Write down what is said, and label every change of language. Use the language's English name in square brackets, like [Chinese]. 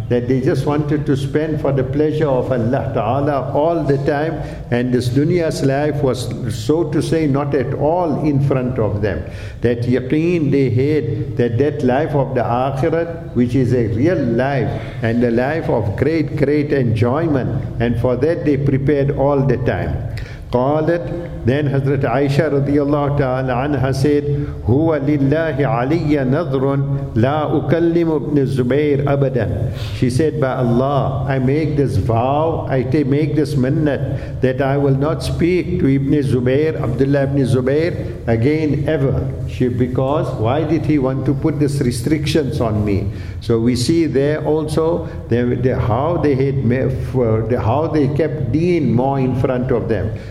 [English] That they just wanted to spend for the pleasure of Allah Ta'ala all the time, and this dunya's life was, so to say, not at all in front of them. That yaqeen they had, that life of the akhirat, which is a real life, and a life of great, great enjoyment, and for that they prepared all the time. [Arabic] قالت [English] then Hazrat Aisha [Arabic] رضي الله تعالى عنها said هو لله علي نظر لا أكلم ابن الزبير أبدا. [English] She said, by Allah, I make this vow, I make this minnat that I will not speak to Ibn Zubair, Abdullah Ibn Zubair, again ever. She, because why did he want to put this restrictions on me? So we see there also how they kept Deen more in front of them.